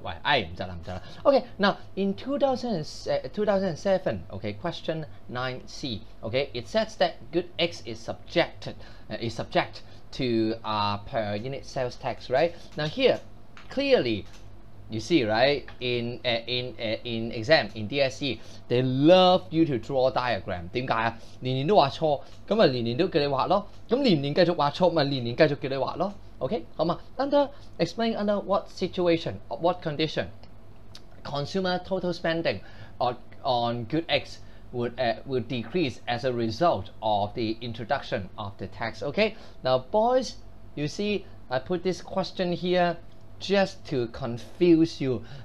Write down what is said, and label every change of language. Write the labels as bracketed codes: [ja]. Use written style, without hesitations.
[zh] 喂, 哎, 不行了, 不行了. [en] Okay, now, in 2007, okay, question 9C, okay, it says that good X is subjected, to per unit sales tax, right? Now here, clearly, you see, right, in exam, in DSE, they love you to draw diagram. [zh] 為什麼? 年年都畫錯, 那就年年都叫你畫咯, 那年年繼續畫錯, 就年年繼續叫你畫咯, okay? 好嗎? [en] Explain under what situation, what condition, consumer total spending on good X would decrease as a result of the introduction of the tax. Okay, now boys, you see, I put this question here just to confuse you.